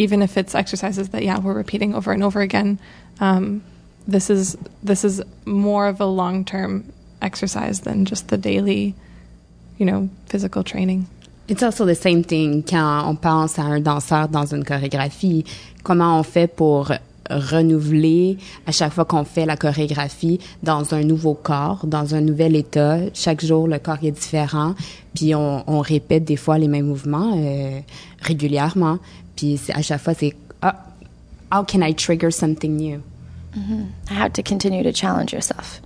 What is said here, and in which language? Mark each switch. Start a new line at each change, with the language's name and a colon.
English: even if it's exercises that yeah we're repeating over and over again, this is more of a long term exercise than just the daily, you know, physical training. It's also the same thing
French: quand on pense à un danseur dans une chorégraphie. Comment on fait pour renouveler à chaque fois qu'on fait la chorégraphie dans un nouveau corps, dans un nouvel état? Chaque jour, le corps est différent. Puis on répète des fois les mêmes mouvements régulièrement. Puis à chaque fois, c'est oh, «
English: How can I trigger something new? Mm-hmm. » How to continue to challenge yourself.